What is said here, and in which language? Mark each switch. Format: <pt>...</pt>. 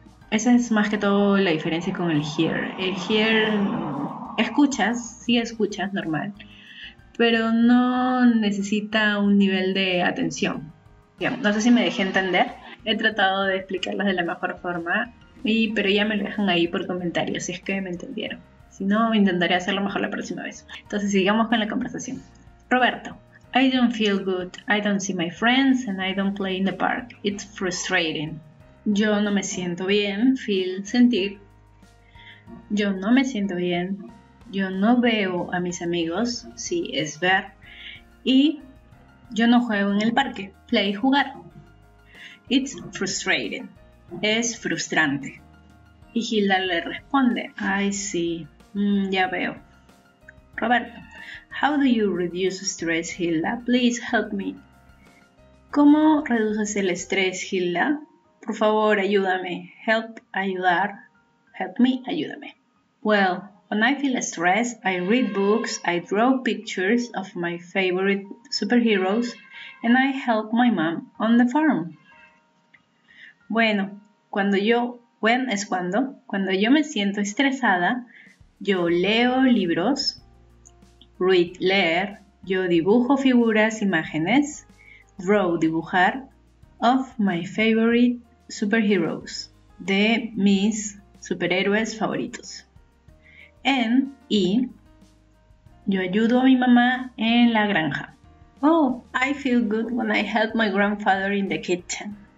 <es>Esa es más que todo la diferencia con el Hear. El Hear, escuchas, sí escuchas, normal, pero no necesita un nivel de atención. No sé si me dejé entender, he tratado de explicarlos de la mejor forma, pero ya me lo dejan ahí por comentarios, si es que me entendieron. Si no, intentaré hacerlo mejor la próxima vez. Entonces, sigamos con la conversación.</es> <en>Roberto, I don't feel good, I don't see my friends and I don't play in the park. It's frustrating.</en> <es>Yo no me siento bien, feel, sentir. Yo no me siento bien, yo no veo a mis amigos, sí, es ver. Y yo no juego en el parque, play, jugar.</es> <en>It's frustrating.</en> <es>Es frustrante. Y Hilda le responde, ay, sí, ya veo.</es> <en>Roberto, how do you reduce stress, Hilda? Please help me.</en> <es>¿Cómo reduces el estrés, Hilda? Por favor, ayúdame.</es> <en>Help, ayudar. Help me, ayúdame. Well, when I feel stressed, I read books, I draw pictures of my favorite superheroes, and I help my mom on the farm.</en> <es>Bueno, cuando yo me siento estresada, yo leo libros, read, leer, yo dibujo figuras, imágenes, draw, dibujar,</es> <en>of my favorite superheroes,</en> <es>de mis superhéroes favoritos. Y yo ayudo a mi mamá en la granja.</es> <en>Oh, I feel good when I help my grandfather in the kitchen.</en>